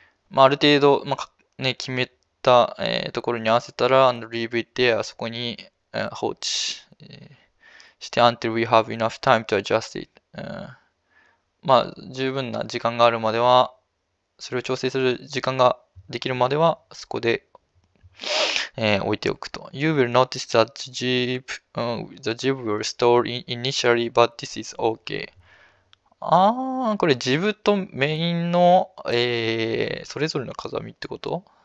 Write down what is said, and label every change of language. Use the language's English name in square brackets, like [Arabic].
[Japanese] まあある程度、まあね、決めた、ところに合わせたら、 [English] and leave it there、 [Japanese] そこに、放置、して、 [English] until we have enough time to adjust it. [Japanese] まあ十分な時間があるまでは、それを調整する時間ができるまでは、そこで、置いておくと。 [English] You will notice that the jib will stall initially, but this is okay. [Japanese] これジブとメインの、それぞれの風見ってこと？